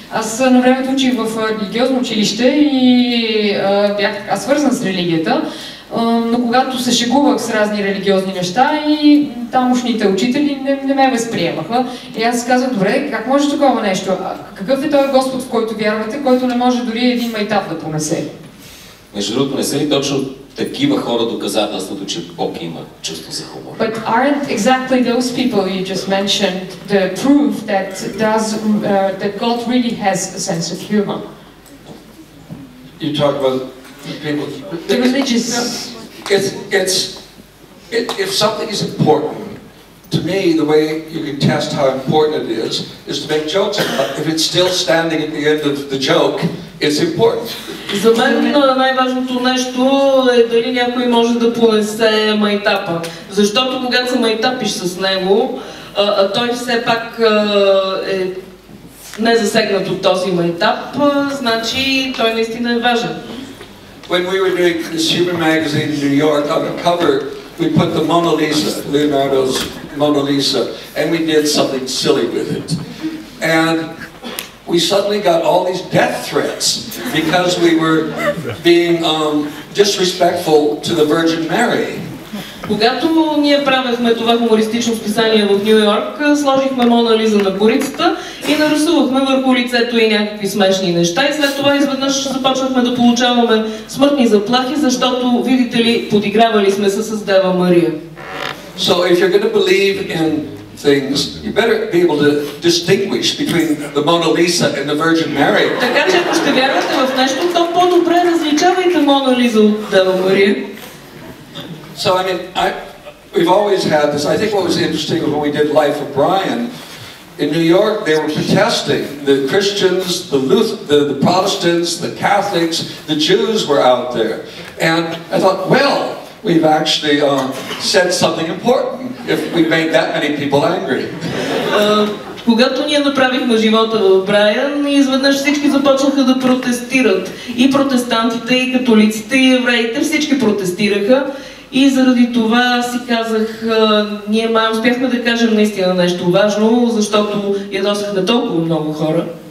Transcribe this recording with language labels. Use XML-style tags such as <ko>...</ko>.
<bg>Аз на времето учих в религиозно училище и бях така свързан с религията, но когато се шегувах с разни религиозни неща и тамошните учители не ме възприемаха. И аз казах, добре, как може такова нещо? Какъв е този Господ, в който вярвате, който не може дори един майтап да понесе? Между другото, не са ли точно такива хора доказателството, че Бог има чувство за хумор?</bg> <en>But aren't exactly those people you just mentioned the proof that that God really has a sense of humor? You talk about people. The religious. You know, it's if something is important to me, the way you can test how important it is to make jokes. If it's still standing at the end of the joke. It's important.</en> <bg>За мен най-важното нещо е дали някой може да понесе майтапа. Защото когато се майтапиш с него, той все пак е незасегнат от този майтап, значи той наистина е важен.</bg> <en>When we were doing Consumer Magazine in New York, on the cover, we put the Mona Lisa, Leonardo's Mona Lisa, and we did something silly with it. And we suddenly got all these death threats because we were being disrespectful to the Virgin Mary.</en> <bg>Когато ние правихме това хумористично списание в Нью Йорк, сложихме Мона Лиза на корицата и нарисувахме върху лицето и някакви смешни неща. И след това изведнъж започнахме да получаваме смъртни заплахи, защото, видите ли, подигравали сме се с Дева Мария.</bg> <en>So if you're going to believe in things, you better be able to distinguish between the Mona Lisa and the Virgin Mary.</en> <bg>Така че ако ще вярвате в нещо, то по-добре различавайте Мона Лиза от Дева Мария.</bg> <en>So I mean, we've always had this. I think what was interesting when we did Life of Brian in New York, they were protesting. The Christians, the Protestants, the Catholics, the Jews were out there. And I thought, well, we've actually said something important if we made that many people angry.</en> <bg>Когато ние направихме живота в Брайан, изведнъж всички започнаха да протестират. И протестантите, и католиците, и евреите, всички протестираха. И заради това си казах, ние май успяхме да кажем наистина нещо важно, защото ядосахме толкова много хора.</bg>